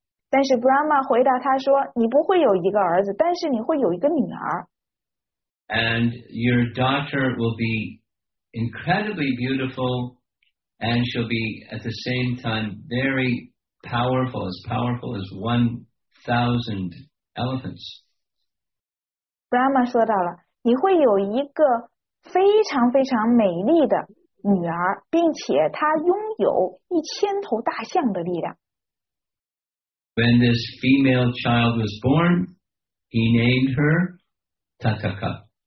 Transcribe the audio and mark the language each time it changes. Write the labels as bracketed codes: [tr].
[zh] 但是 Brahma 回答他说, 你不会有一个儿子, 但是你会有一个女儿。 [en] And your daughter will be incredibly beautiful, and she'll be at the same time very powerful as 1,000 elephants. [zh] Brahma 说到了, 你会有一个非常非常美丽的女儿, 并且她拥有1,000头大象的力量。 [en] When this female child was born, he named her Tataka.